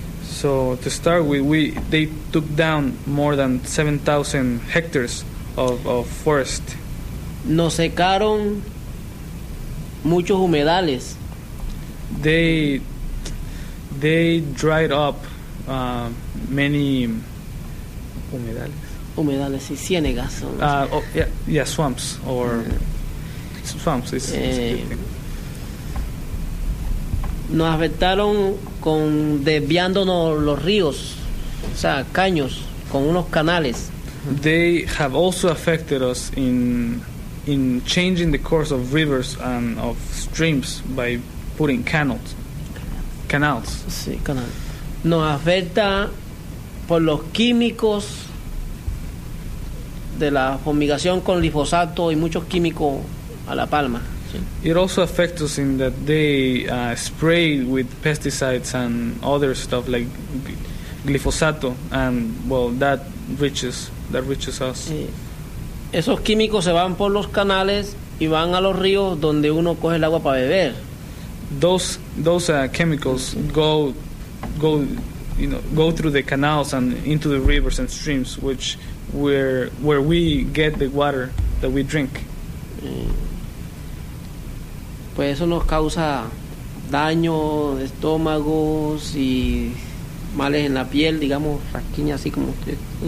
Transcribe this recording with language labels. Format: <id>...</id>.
<en>So to start with, they took down more than 7,000 hectares of forest.</en> <es>Nos secaron muchos humedales.</es> <en>They dried up many humedales.</en> <es>Humedales y ciénegas.</es> <en>Swamps or swamps. It's a good thing.</en> <es>Nos afectaron con desviándonos los ríos, o sea, caños con unos canales.</es> <en>They have also affected us in changing the course of rivers and of streams by putting canals.</en> <es>Sí, canal. Nos afecta por los químicos de la fumigación con glifosato y muchos químicos a La Palma.</es> <en>It also affects us in that they spray with pesticides and other stuff like glifosato, and well, that reaches us.</en> <es>Esos químicos se van por los canales y van a los ríos donde uno coge el agua para beber.</es> <en>Those chemicals go through the canals and into the rivers and streams, which where we get the water that we drink.</en> <es>Pues eso nos causa daño de estómagos y males en la piel, digamos, rasquiña así como usted.</es>